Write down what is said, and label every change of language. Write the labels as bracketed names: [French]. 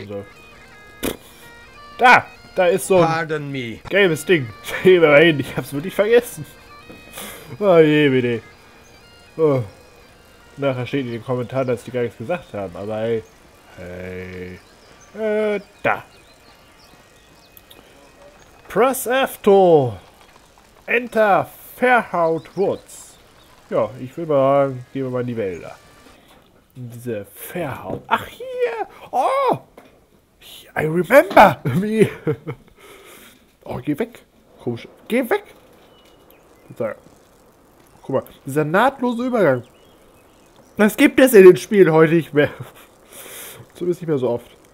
[German] Ich tun soll. Da ist so Pardon ein gelbes Ding. Geh mal hin, ich hab's wirklich vergessen. Oh je, bitte. Oh. Nachher steht in den Kommentaren, dass die gar nichts gesagt haben, aber ey. Da. [English] Press F to enter Fairhaut Woods. [German] Ja, ich will mal sagen, gehen wir mal in die Wälder. In diese Fairhaut. Ach, hier! Oh! [English] I remember me. [German] Oh, geh weg. Komisch. Geh weg. So. Guck mal, dieser nahtlose Übergang. Das gibt es in den Spielen heute nicht mehr. Zumindest nicht mehr so oft.